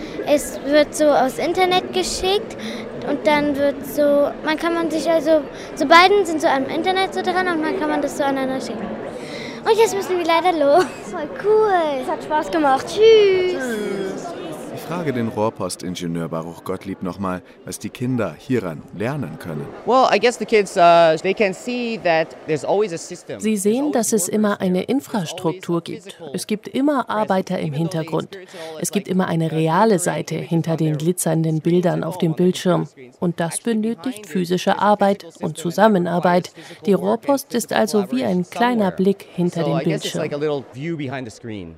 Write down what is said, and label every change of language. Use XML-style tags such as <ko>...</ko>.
<de>Es wird so aus Internet geschickt und dann wird so, man kann man sich also, so beiden sind so am Internet so dran und dann kann man das so aneinander schicken. Und jetzt müssen wir leider los. Voll cool. Es hat Spaß gemacht. Tschüss. Tschüss. Ich frage den Rohrpost-Ingenieur Baruch Gottlieb nochmal, was die Kinder hieran lernen können.</de> <en>Well, I guess the kids, they can see that there's always a system.</en> <de>Sie sehen, dass es immer eine Infrastruktur gibt. Es gibt immer Arbeiter im Hintergrund. Es gibt immer eine reale Seite hinter den glitzernden Bildern auf dem Bildschirm. Und das benötigt physische Arbeit und Zusammenarbeit. Die Rohrpost ist also wie ein kleiner Blick hinter den Bildschirm.</de>